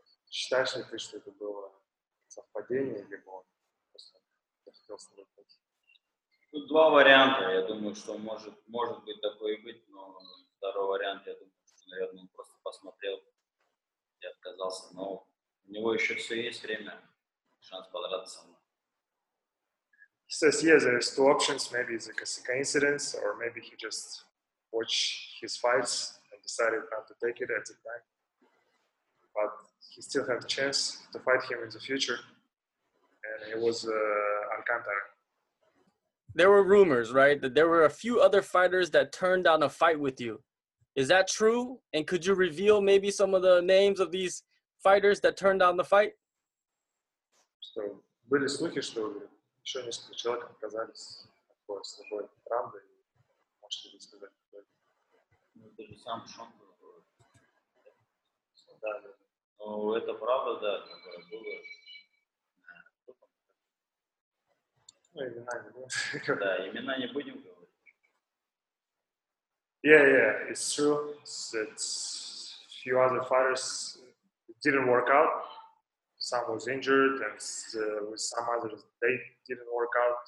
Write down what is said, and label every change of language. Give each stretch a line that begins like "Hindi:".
Russian: Считаешь ли ты, что это было совпадение, либо он просто захотел с тобой пойти? Тут два варианта. Я думаю, что может быть такое и быть, но второй вариант, я думаю, наверное, он просто посмотрел и отказался. Но у него еще все есть время, шанс подраться со мной.
English: He says, yeah, there's two options. Maybe it's a coincidence, or maybe he just watched his fights and decided not to take it at the time. But he still had a chance to fight him in the future. And it was Alcantara. There were rumors, right, that there were a few other fighters that turned down a fight with you. Is that true? And could you reveal maybe some of the names of these fighters that turned down the fight?
Russian: So, были слухи, что еще несколько человек отказались от боя с тобой в раунде. Можете ли сказать, кто это? Ну, ты же сам Шон был. Да. Ну, это правда, да, такое было. Ну, имена не будем. Да, имена не будем говорить.
English: Yeah, it's true that a few other fighters didn't work out. Some was injured, and with some others, they didn't work out.